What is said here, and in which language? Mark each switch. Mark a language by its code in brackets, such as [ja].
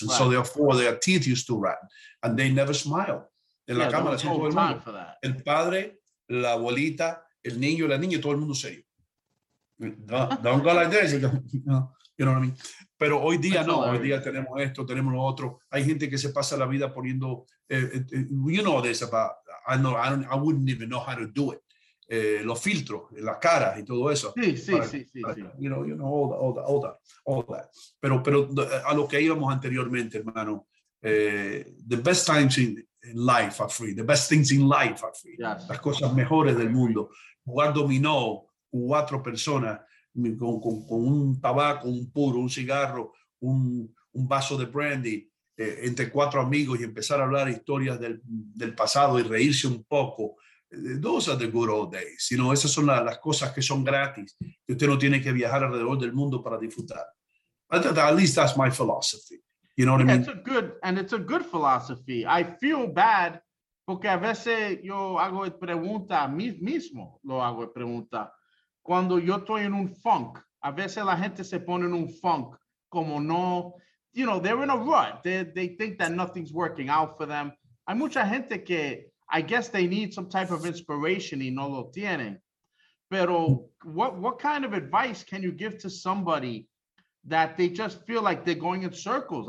[en] And so therefore their teeth used to rot. And they never smiled. [es] En la cámara, no todo el mundo. El padre, la abuelita, el niño, la niña, todo el mundo serio. [en] Don't go like this. You know what I mean? [es] Pero hoy día no, hoy día tenemos esto, tenemos lo otro. Hay gente que se pasa la vida poniendo, you know this about, I wouldn't even know how to do it. Los filtros, las caras y todo eso. Sí. [en] You know, all that. [es] Pero a lo que íbamos anteriormente, hermano, [en] the best times in life are free. The best things in life are free. Yes. [es] Las cosas mejores del mundo. Jugar dominó, cuatro personas. Con un tabaco, un puro, un cigarro, un vaso de brandy, entre cuatro amigos y empezar a hablar historias del pasado y reírse un poco. [en] Those are the good old days. You know, [es] esas son las cosas que son gratis, que usted no tiene que viajar alrededor del mundo para disfrutar. [en] At least that's my philosophy. You know what I mean? It's a good philosophy. I feel bad [es] porque a veces yo hago pregunta, mismo lo hago pregunta. Cuando yo estoy en un funk, A veces la gente se pone en un funk, como no, [en] you know, they're in a rut. They think that nothing's working out for them. [es] Hay mucha gente que, [en] I guess they need some type of inspiration [es] y no lo tienen. [en] Pero what kind of advice can you give to somebody that they just feel like they're going in circles?